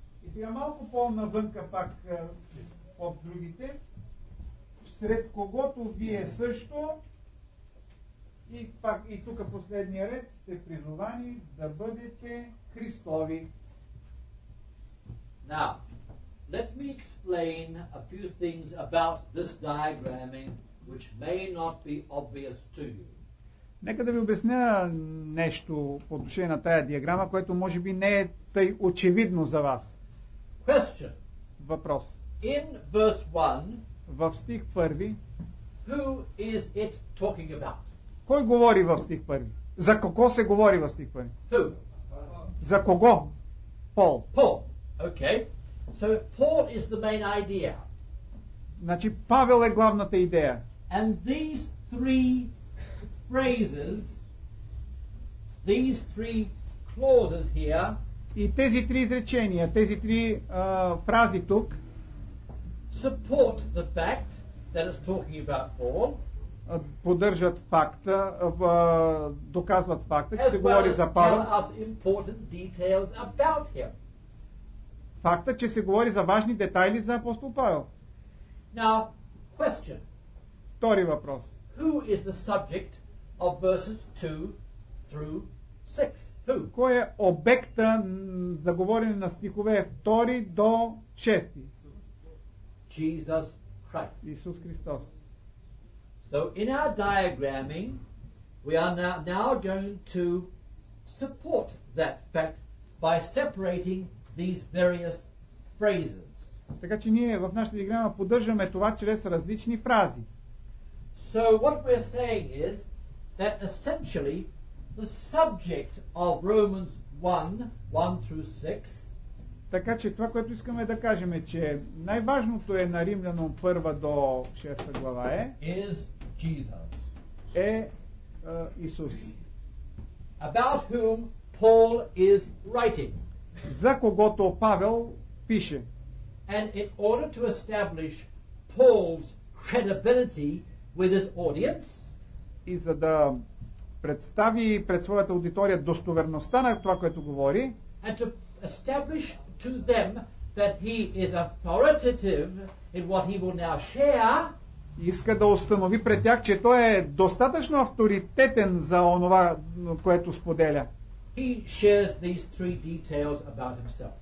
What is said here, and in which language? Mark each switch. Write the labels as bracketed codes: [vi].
[bg] И сега малко по-навънка пак от другите, сред когото вие също, и пак и тук последния ред, сте призовани да бъдете Христови. [en] Now, let me explain a few things about this diagramming, which may not be obvious to you. [bg] Нека да ви обясня нещо по отношение на тая диаграма, което може би не е тъй очевидно за вас. [en] Question. [bg] Въпрос. [en] In verse 1, [bg] в стих първи, [en] who is it talking about? [bg] Кой говори в стих първи? За кого се говори в стих първи? [en] Who? [bg] За кого? Paul. [en] Paul. Okay. So Paul is the main idea. [bg] Значи Павел е главната идея. [en] And these three phrases, these three clauses here, [bg] и тези три изречения, тези три фрази тук [en] support the fact that it's talking about Paul, [bg] поддържат факта, доказват факта, че се говори за Павел. [en] Tell us important details about him. [bg] Факта, че се говори за важни детайли за апостол Павел. [en] Now, question. [bg] Втори въпрос. [en] Who is the subject of verses 2 through 6? Who? [bg] Кой е обекта за говорене на стихове 2 до 6? [en] Jesus Christ. [bg] Исус Христос. [en] So in our diagramming we are now going to support that fact by separating these various phrases. [bg] Така че ние в нашата диаграма поддържаме това чрез различни фрази. [en] So what we're saying is that essentially the subject of Romans 1:1-6. [bg] Така че това, което искаме да кажем, е, че най-важното е на Римляно 1 до 6 глава е [en] is Jesus. [bg] Е Исус. [en] About whom Paul is writing. [bg] За когото Павел пише. [en] And in order to establish Paul's credibility with his audience, [bg] и за да представи пред своята аудитория достоверността на това, което говори, [en] and to establish to them that he is authoritative in what he will now share, [bg] иска да установи пред тях, че той е достатъчно авторитетен за онова, което споделя. [en] He shares these three details about himself.